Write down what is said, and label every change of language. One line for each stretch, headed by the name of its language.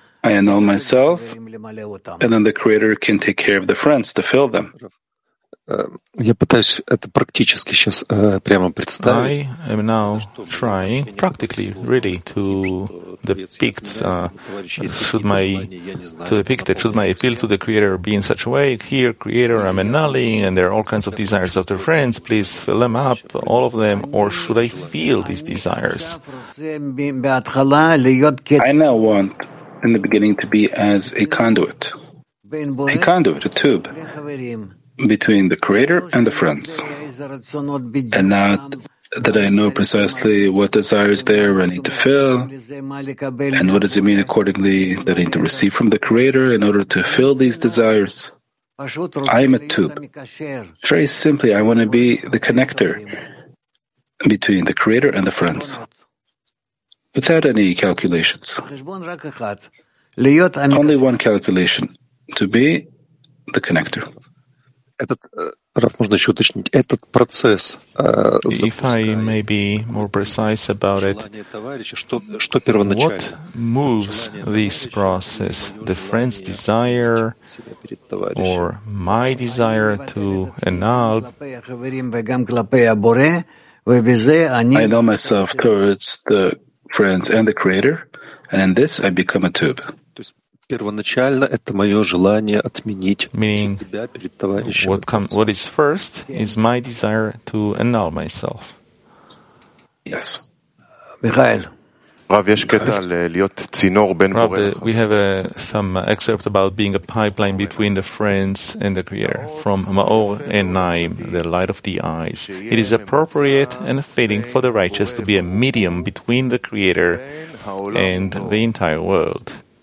English: I annul myself, and then the Creator can take care of the friends to fill them.
Russian: Я пытаюсь это практически сейчас прямо представить.
English: I am now trying practically, really, to depict should my appeal to the Creator be in such a way? Here, Creator, I'm annulling, and there are all kinds of desires of the friends. Please fill them up, all of them, or should I feel these desires? I now want, in the beginning, to be as a conduit, a tube between the Creator and the friends. And not that I know precisely what desires they are ready to fill, and what does it mean accordingly that I need to receive from the Creator in order to fill these desires. I am a tube. Very simply, I want to be the connector between the Creator and the friends, without any calculations. Only one calculation, to be the connector.
Russian: Этот, Раф, можно еще уточнить, этот процесс
English: If I may be more precise about it,
Russian: что первоначально?
English: What moves this process? The friend's desire or my desire to annul? I annul myself towards the friends and the Creator, and in this I become a tube.
Russian: Первоначально это мое желание отменить
English: Meaning,
Russian: себя перед товарищем.
English: What is first is my desire to annul myself. Yes.
Russian: Михаил.
Hebrew: Рав, יש קטע להיות צינור בין בורא.
English: We have some excerpt about being a pipeline between the friends and the Creator from Maor and Naim, the light of the eyes. It is appropriate and fitting for the righteous to be a medium between the Creator and the entire world.